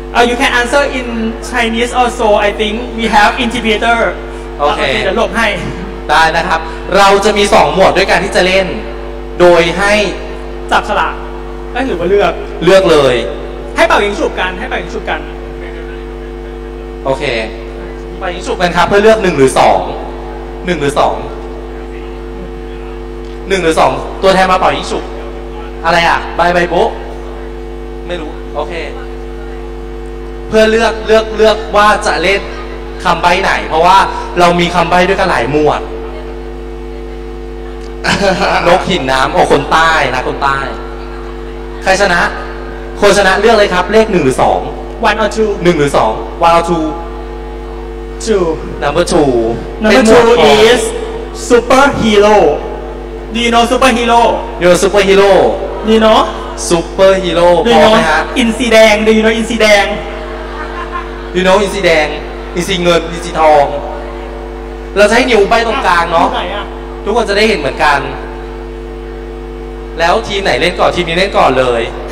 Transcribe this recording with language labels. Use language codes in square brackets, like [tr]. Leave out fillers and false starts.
[en] you can answer in Chinese also I think we have interpreter okay [th] จะหลบให้ได้นะครับเราจะมี2หมวดด้วยกันที่จะเล่นโดยให้จับฉลากหรือว่าเลือก เลือกเลย ให้เป่ายิงฉุบกันให้เป่ายิงฉุบกัน โอเคไปสุดกันครับเพื่อเลือก1หรือ2 1หรือ2 1หรือ2ตัวแทนมาเป่ายิงสุดอะไรอ่ะใบใบโบไม่รู้โอเคเพื่อเลือกว่าจะเล่นคำใบไหนเพราะว่าเรามีคำใบด้วยกันหลายหมวดนกหินน้ำโอ้คนใต้นะคนใต้ใครชนะคนชนะเลือกเลยครับเลข1หรือ2 [en] 1 or 2 [th] 1หรือ2 [en] 1 or 2 2 Number 2 Number 2 is Super Hero Do you know Super Hero? Do you know Super Hero? Do you know? Super Hero [th] พอไหมฮะอินซีแดง [en] Do you know [th] อินซีแดง [en] Do you know [th] อินซีแดงอินซีเงินอินซีทองเราจะให้นิ้วใบตรงกลางเนา ะ ทุกคนจะได้เห็นเหมือนกันแล้วทีมไหนเล่นก่อนทีมนี้เล่นก่อนเลย